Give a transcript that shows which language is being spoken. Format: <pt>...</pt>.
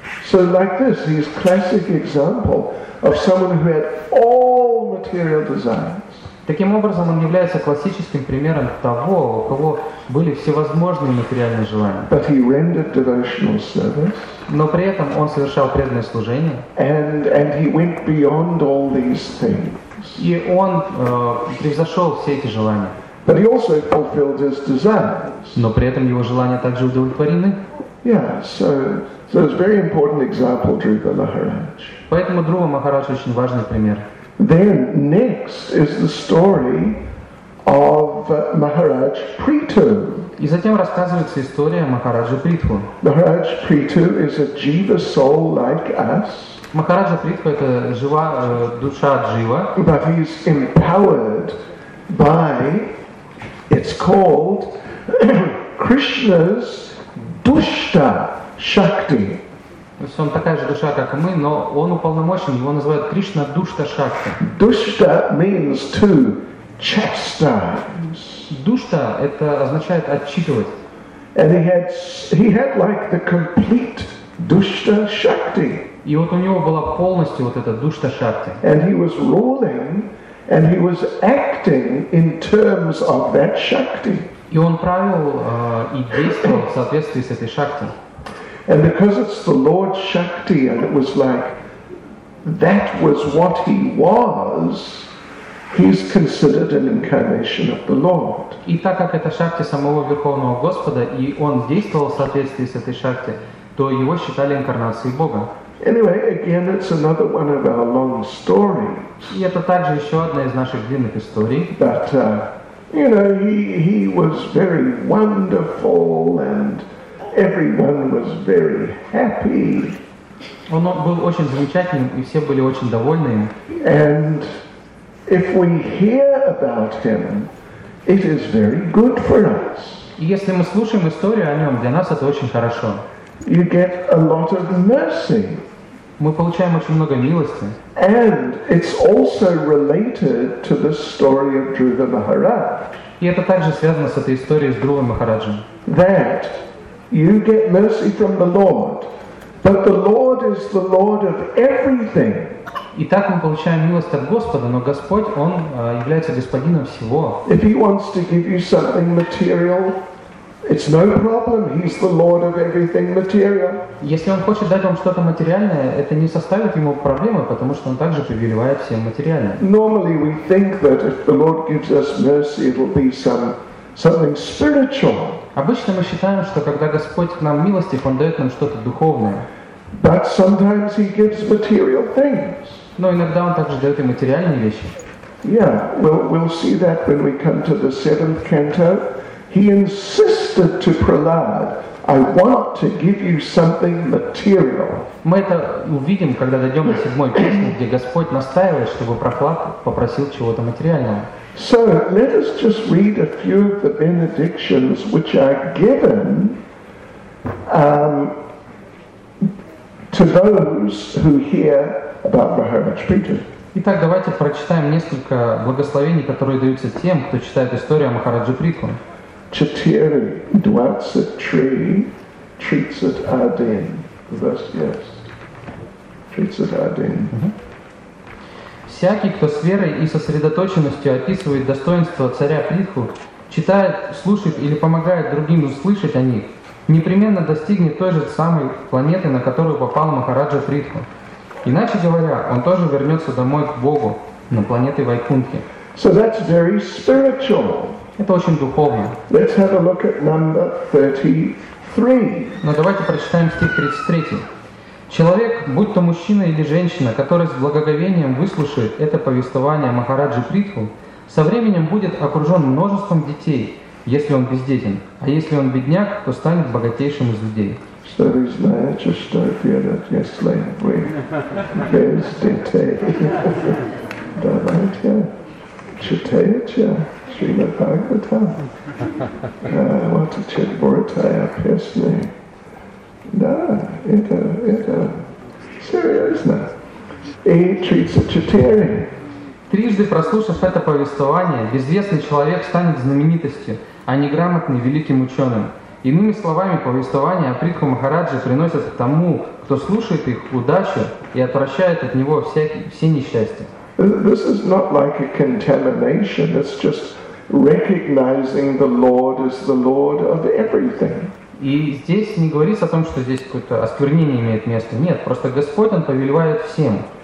<en>So like this, this classic example of someone who had all material desires.</en> <ru>Таким образом, он является классическим примером того, у кого были всевозможные материальные желания.</ru> <en>But he rendered devotional service.</en> <ru>Но при этом он совершал преданное служение.</ru> <en>And he went beyond all these things.</en> <ru>И он превзошел все эти желания.</ru> <en>But he also fulfilled his desires.</en> <ru>Но при этом его желания также удовлетворены.</ru> <en>Yeah, so it's a very important example, Dhruva Maharaj.</en> <ru>Поэтому Дхрува Махарадж очень важный пример.</ru> <en>Then next is the story of Maharaj Prithu.</en> <ru>И затем рассказывается история Махараджа Притху.</ru> <en>Maharaj Prithu is a jiva soul like us.</en> <ru>Махараджа Притху это жива душа джива.</ru> <en>But he is empowered by it's called Krishna's Душта Шакти.</en> <ru>То есть он такая же душа, как и мы, но он уполномочен, его называют Кришна Душта Шакти.</ru> <en>Душта means to chastise.</en> <ru>Душта это означает отчитывать.</ru> <en>And he had like the complete Душта Шакти.</en> <ru>И вот у него была полностью вот эта Душта Шакти.</ru> <en>And he was ruling and he was acting in terms of that Shakti.</en> <ru>И он правил и действовал в соответствии с этой шакти.</ru> <en>And because it's the Lord Shakti, and it was like that was what he was, he's considered an incarnation of the Lord.</en> <ru>И так как это шакти самого Верховного Господа, и он действовал в соответствии с этой шакти, то его считали инкарнацией Бога.</ru> <en>Anyway, again, it's another one of our long stories.</en> <ru>И это также еще одна из наших длинных историй.</ru> <en>But, you know, he was very wonderful, and everyone was very happy.</en> <ru>Он был очень замечательным, и все были очень довольны им.</ru> <en>And if we hear about him, it is very good for us.</en> <ru>И если мы слушаем историю о нем, для нас это очень хорошо.</ru> <en>You get a lot of mercy.</en> <ru>Мы получаем очень много милости.</ru> <en>And it's also related to the story of Dhruva Maharaj.</en> <ru>И это также связано с этой историей с Дхрувой Махараджем.</ru> <en>That you get mercy from the Lord, but the Lord is the Lord of everything.</en> <ru>И так мы получаем милость от Господа, но Господь, Он является Господином всего.</ru> <en>If He wants to give you something material, it's no problem. He's the Lord of everything material.</en> <ru>Если он хочет дать вам что-то материальное, это не составит ему проблемы, потому что он также повелевает всем материальным.</ru> <en>Normally we think that if the Lord gives us mercy, it will be something spiritual.</en> <ru>Обычно мы считаем, что когда Господь к нам милостив, он дает нам что-то духовное.</ru> <en>But sometimes He gives material things.</en> <ru>Но иногда он также дает и материальные вещи.</ru> <en>Yeah, we'll see that when we come to the seventh canto. He insisted to Prahlad, I want to give you something material.</en> <ru>Мы это увидим, когда дойдем до седьмой песни, где Господь настаивает, чтобы Прохлад попросил чего-то материального.</ru> <en>So let us just read a few of the benedictions which are given to those who hear about Maharaj Prithu.</en> <ru>Итак, давайте прочитаем несколько благословений, которые даются тем, кто читает историю о Махараджи Притху. Chatiri dwells a tree, treats it Arden. Yes. Treats it Arden. Всякий, кто с верой и сосредоточенностью описывает достоинство царя Притху, читает, слушает или помогает другим услышать о них, непременно достигнет той же самой планеты, на которую попал Махараджа Притху. Иначе говоря, он тоже вернется домой к Богу, на планеты Вайкунтхи.</ru> <en>So that's very spiritual.</en> <ru>Это очень духовно.</ru> <en>Let's have a look at number 33.</en> <ru>Но давайте прочитаем стих 33. Человек, будь то мужчина или женщина, который с благоговением выслушает это повествование Махараджи Притху, со временем будет окружен множеством детей, если он бездетен, а если он бедняк, то станет богатейшим из людей. So there's no just Chitaya, Srimad Bhagavatam, what a Chitvurataya personally. No, it's serious, no. He treats a Chitari, Трижды прослушав это повествование, безвестный человек станет знаменитостью, а не грамотным великим ученым. Иными словами, повествование о Притху Махарадже приносит к тому, кто слушает их, удачу и отвращает от него все несчастья.</ru> <en>This is not like a contamination, it's just recognizing the Lord as the Lord of everything.</en> <ru>И здесь не говорится о том, что здесь какое-то осквернение имеет место. Нет, просто Господь, Он повелевает всем.</ru>